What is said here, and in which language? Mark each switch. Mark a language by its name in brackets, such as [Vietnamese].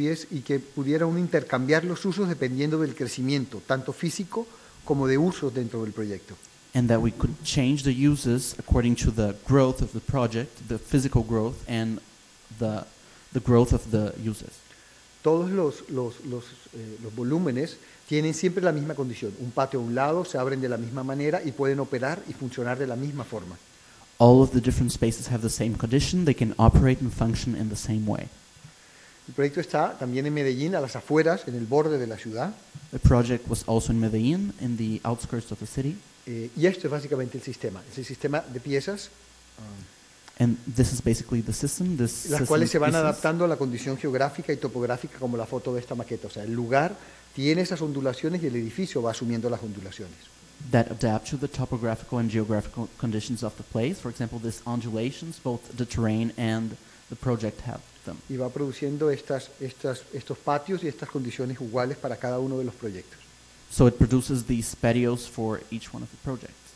[Spanish] Y que pudiera uno intercambiar los usos dependiendo del crecimiento, tanto físico como de usos dentro del proyecto. [English] And that we could change the uses according to the growth of the project, the physical growth and the growth of the uses. [Spanish] Todos los volúmenes tienen siempre la misma condición. Un patio a un lado, se abren de la misma manera y pueden operar y funcionar de la misma forma. [English] All of the different spaces have the same condition. They can operate and function in the same way. [Spanish] El proyecto está también en Medellín, a las afueras, en el borde de la ciudad. [English] The project was also in Medellín, in the outskirts of the city. [Spanish] Y esto es básicamente el sistema. Es el sistema de piezas. [English] And this is basically the system. This [Spanish] las cuales se van pieces. Adaptando a la condición geográfica y topográfica como la foto de esta maqueta. O sea, el lugar tiene esas ondulaciones y el edificio va asumiendo las ondulaciones. [English] That adapt to the topographical and geographical conditions of the place. For example, these undulations, both the terrain and the project have them. [Spanish] Y va produciendo estos patios y estas condiciones iguales para cada uno de los proyectos. [English] So it produces these patios for each one of the projects.